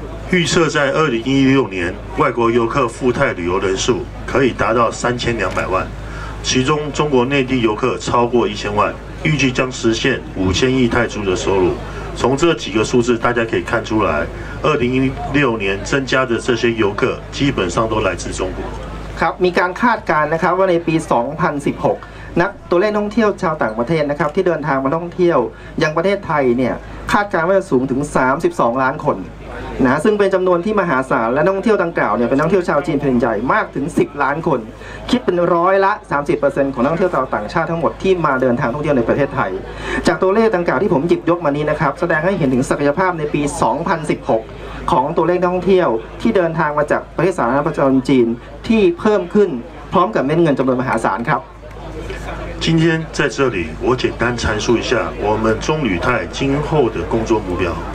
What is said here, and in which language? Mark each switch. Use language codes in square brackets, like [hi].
[zh] 预测在2016年外国游客赴泰旅游人数可以达到3200万其中中国内地游客超过1000万预计将实现5000亿泰铢的收入从这几个数字大家可以看出来2016年增加的这些游客基本上都来自中国 [th] ครับมีการคาดการณ์นะครับว่าในปี2016นักตัวเลขท่องเที่ยวชาวต่างประเทศนะครับที่เดินทางมาท่องเที่ยวยังประเทศไทยเนี่ยคาดการณ์ว่าจะสูงถึง32ล้านคน นะซึ่งเป็นจำนวนที่มหาศาลและนักท่องเที่ยวดังกล่าวเนี่ยเป็นนักท่องเที่ยวชาวจีนแผ่นใหญ่มากถึง10ล้านคนคิดเป็นร้อยละ 30% ของนักท่องเที่ยวชาวต่างชาติทั้งหมดที่มาเดินทางท่องเที่ยวในประเทศไทยจากตัวเลขดังกล่าวที่ผมหยิบยกมานี้นะครับแสดงให้เห็นถึงศักยภาพในปี2016ของตัวเลขท่องเที่ยวที่เดินทางมาจากประเทศสาธารณรัฐจีนที่เพิ่มขึ้นพร้อมกับเม็ดเงินจำนวนมหาศาลครับ [zh] 今天在这里我简单阐述一下我们中旅泰今后的工作目标